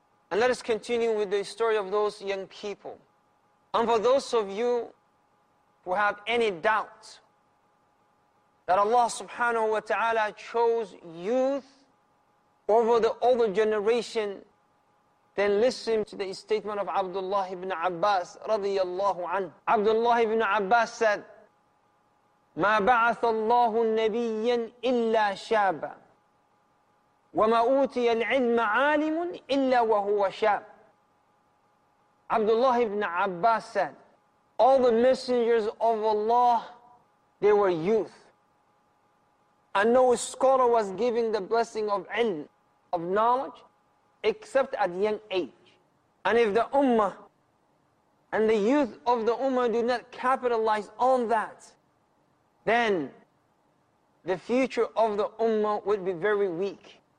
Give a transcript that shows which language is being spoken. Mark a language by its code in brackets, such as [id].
[en] And let us continue with the story of those young people. And for those of you who have any doubt that Allah subhanahu wa ta'ala chose youth over the older generation, then listen to the statement of Abdullah ibn Abbas radiyallahu anhu. Abdullah ibn Abbas said, [ar] مَا بَعَثَ اللَّهُ النَّبِيًّا إِلَّا شَابًا وَمَا أُوتِيَ الْعِلْمَ عَالِمٌ إِلَّا وَهُوَ شَابٌ. [en] Abdullah ibn Abbas said, all the messengers of Allah, they were youth. And no scholar was given the blessing of ilm, of knowledge, except at young age. And if the ummah and the youth of the ummah do not capitalize on that, then the future of the ummah would be very weak.